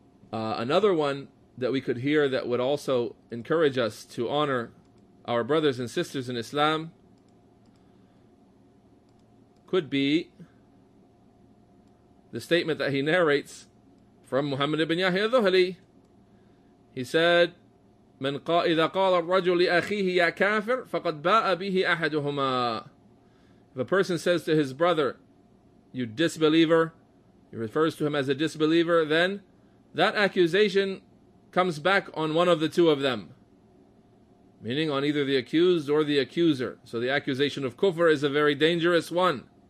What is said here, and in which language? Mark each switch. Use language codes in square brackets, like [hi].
[en] Another one that we could hear that would also encourage us to honor our brothers and sisters in Islam could be the statement that he narrates from Muhammad ibn Yahya al-Dhuhli. He said, [ar] من قا إذا قال الرجل لأخيه يا كافر فقد باء به أحدهما. [en] If a person says to his brother, you disbeliever, he refers to him as a disbeliever, then that accusation comes back on one of the two of them, meaning on either the accused or the accuser. So the accusation of kufr is a very dangerous one.